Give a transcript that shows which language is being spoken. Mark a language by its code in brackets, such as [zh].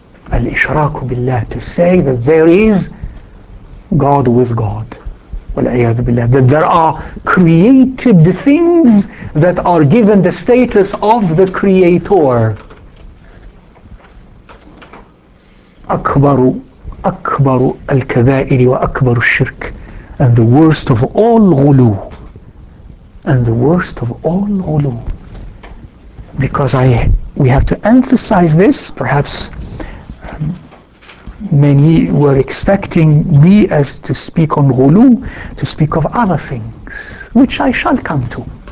[en] Al-ishraku billah, to say that there is God with God. That there are created things that are given the status of the Creator. [ar] أكبر الكبائر وأكبر الشرك. [en] And the worst of all غلو. And the worst of all غلو. Because we have to emphasize this, perhaps many were expecting me as to speak on ghulu, to speak of other things, which I shall come to.